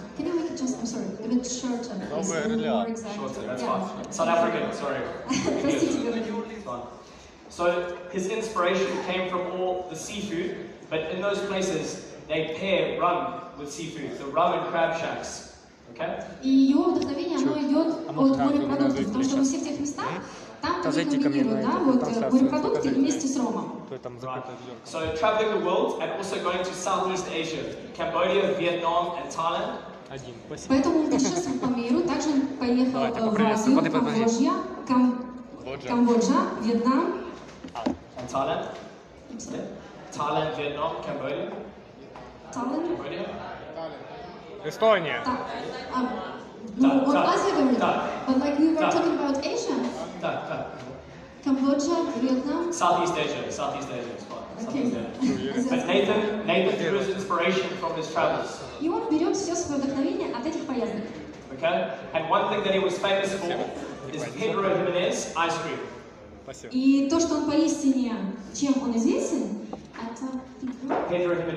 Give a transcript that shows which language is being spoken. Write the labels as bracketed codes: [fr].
[en] Can you make it just, I'm sorry, a bit shorter? Yeah. Shorter, that's yeah. fine. South African, sorry. [ru] Простите, [en] So his inspiration came from all the seafood, but in those places, they pair rum with seafood, the rum and crab shacks. [ru] И его вдохновение, оно идет от морепродуктов, потому что во всех тех местах, там они комбинируют, да, вот морепродукты вместе с ромом. [en] So traveling the world and also going to Southeast Asia, Cambodia, Vietnam and Thailand. [ru] Поэтому он путешествовал по миру, также поехал в Азию, в Лодже, [en] Cambodia, Vietnam. And Thailand. Thailand, Vietnam, Cambodia. Thailand. Estonia. But like we were talking about Asia. Cambodia, Vietnam. Southeast Asia is fine. Okay. But Nathan drew his inspiration from his travels. Okay. And one thing that he was famous for is Pedro Jimenez ice cream. [ru] И то, что он поистине, чем он известен, это